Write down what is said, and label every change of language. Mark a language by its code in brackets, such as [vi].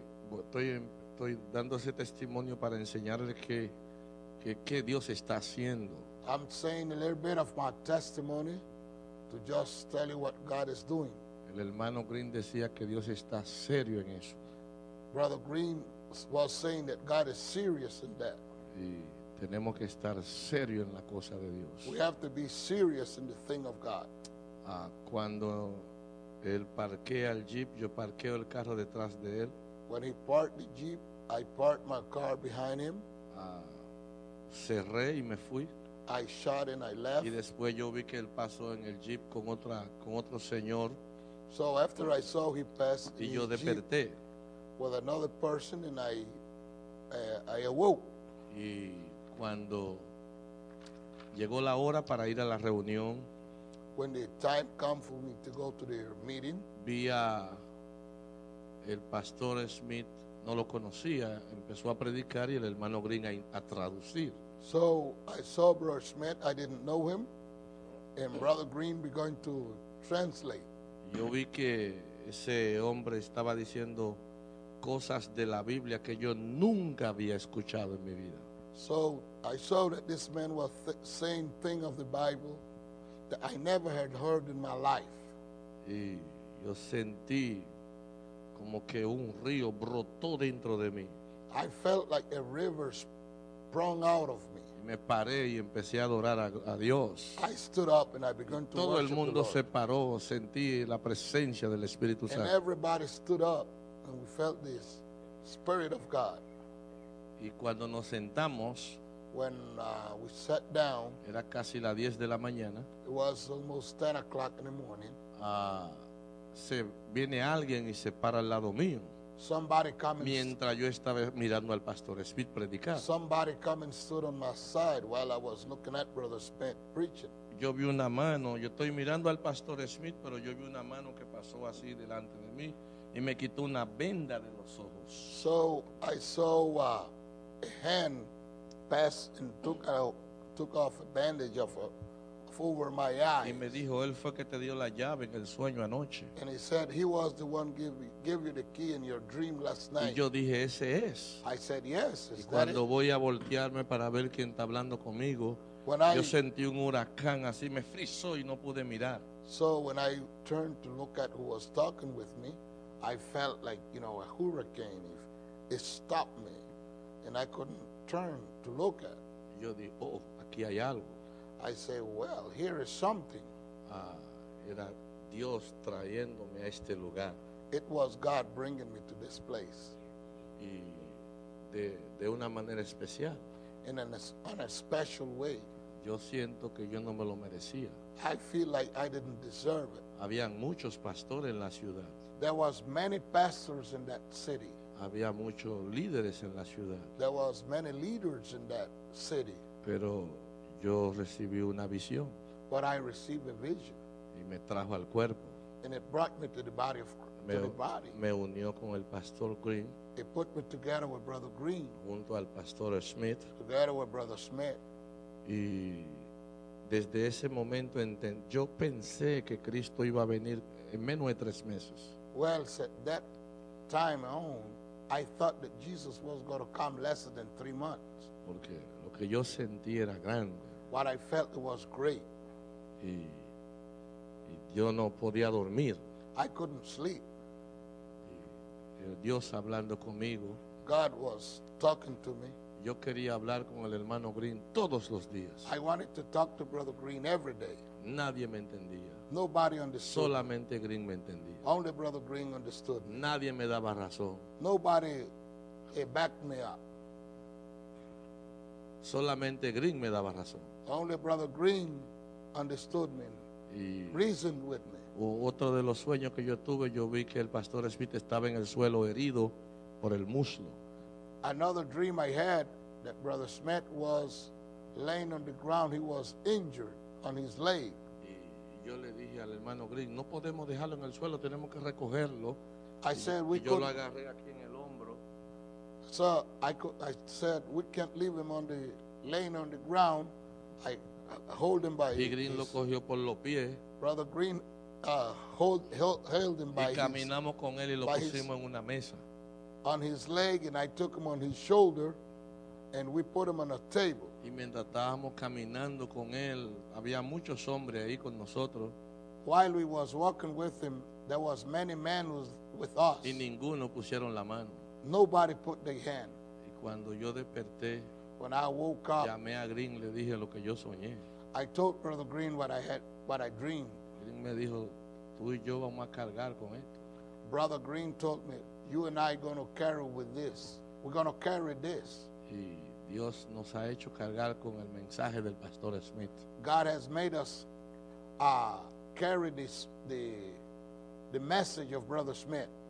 [es] Estoy dando ese testimonio para enseñarle que Dios está haciendo. [en] I'm saying a little bit of my testimony to just tell you what God is doing. [es] El hermano Green decía que Dios está serio en eso. [en] Brother Green was saying that God is serious in that. [es] Y tenemos que estar serio en la cosa de Dios. [en] We have to be serious in the thing of God. [es] Cuando él parquea el jeep, yo parqueo el carro detrás de él. [en] When he parked the jeep, I parked my car behind him. [es] Cerré y me fui. [en] I shot and I left. [es] Y después yo vi que él pasó en el jeep con otro señor. [en] So after I saw he passed [es] y yo desperté. [en] With another person and I awoke. [es] Y cuando llegó la hora para ir a la reunión, [en] when the time came for me to go to the meeting, [es] vi a el pastor Smith, no lo conocía, empezó a predicar y el hermano Green a traducir. [en] So I saw Brother Schmidt. I didn't know him. And Brother Green be going to translate. [es] Yo vi que ese hombre estaba diciendo cosas de la Biblia que yo nunca había escuchado en mi vida. [en] So I saw that this man was saying thing of the Bible that I never had heard in my life. [es] Y yo sentí como que un río brotó dentro de mí. [en] I felt like a river sprung out of me. [es] Me paré y empecé a adorar a Dios. [en] I stood up and I began to [es] todo el mundo se paró, sentí la presencia del Espíritu Santo. [en] And everybody stood up and we felt this Spirit of God. [es] Y cuando nos sentamos, [en] when we sat down, [es] era casi las 10 de la mañana. [en] It was almost 10 o'clock in the morning. [es] Se viene alguien y se para al lado mío. [en] Somebody come and [es] mientras yo estaba mirando al pastor Smith predicar. [en] Somebody come and stood on my side while I was looking at Brother Smith preaching. [es] Yo vi una mano, yo estoy mirando al pastor Smith, pero yo vi una mano que pasó así delante de mí y me quitó una venda de los ojos. [en] So I saw a hand pass and took off a bandage over my eyes. [es] Y me dijo, él fue que te dio la llave en el sueño anoche. [en] And he said, he was the one give you the key in your dream last night. [es] Y yo dije, ese es. [en] I said, yes, is that it? [es] Y cuando voy [en] it? [es] A voltearme para ver quién está hablando conmigo, [en] when [es] yo sentí un huracán así, me frizó y no pude mirar. [en] So when I turned to look at who was talking with me, I felt like, you know, a hurricane. It stopped me. And I couldn't turn to look at. [es] Yo dije, oh, aquí hay algo. [en] I say, well, here is something. [es] Era Dios trayéndome a este lugar. [en] It was God bringing me to this place. [es] Y de una manera especial. [en] In a special way. [es] Yo siento que yo no me lo merecía. [en] I feel like I didn't deserve it. [es] Habían muchos pastores en la ciudad. [en] There was many pastors in that city. [es] Había muchos líderes en la ciudad. [en] There was many leaders in that city. [es] Pero yo recibí una visión. [en] But I received a vision. [es] Y me trajo al cuerpo. [en] And it brought me to the body of the body. [es] Me unió con el pastor Green. [en] It put me together with Brother Green. [es] Junto al pastor Smith. [en] Together with Brother Smith. [es] Y desde ese momento yo pensé que Cristo iba a venir en menos de 3 meses. [en] Well, at that time on, I thought that Jesus was going to come less than 3 months. [es] Porque lo que yo sentí era grande. [en] What I felt was great. [es] Y yo no podía dormir. [en] I couldn't sleep. [es] Y Dios hablando conmigo. [en] God was talking to me. [es] Yo quería hablar con el hermano Green todos los días. [en] I wanted to talk to Brother Green every day. [es] Nadie me entendía. [en] Nobody understood. [es] Solamente Green me entendía. [en] Only Brother Green understood. [es] Nadie me daba razón. [en] Nobody backed me up. [es] Solamente Green me daba razón. [en] Only Brother Green understood me, reasoned with me. [es] Otro de los sueños que yo tuve, yo vi que el pastor Smith estaba en el suelo herido por el muslo. [en] Another dream I had, that Brother Smith was laying on the ground, he was injured on his leg. [es] Yo le dije al hermano Green, no podemos dejarlo en el suelo, tenemos que recogerlo. [en] I said we [es] yo lo agarré aquí en el hombro. [en] So I said we can't leave him on the laying on the ground. I hold him by [es] y Green [en] his, [es] lo cogió por los pies. [en] Brother Green held him by [es] y caminamos [en] his, [es] con él y lo pusimos his, en una mesa. [en] On his leg and I took him on his shoulder and we put him on a table. [es] Y mientras estábamos caminando con él, había muchos hombres ahí con nosotros. [en] While we was walking with him, there was many men with us. [es] Y ninguno pusieron la mano. [en] Nobody put their hand. [es] Y cuando yo desperté, [en] when I woke up, [es] llamé a Green, le dije lo que yo soñé. [en] I told Brother Green what I dreamed. [es] Green me dijo, tú y yo vamos a cargar con esto. [en] Brother Green told me, you and I are going to carry with this. We're going to carry this. [es] Y Dios nos ha hecho cargar con el mensaje del pastor Smith. [en] God has made us carry this the message of Brother Smith.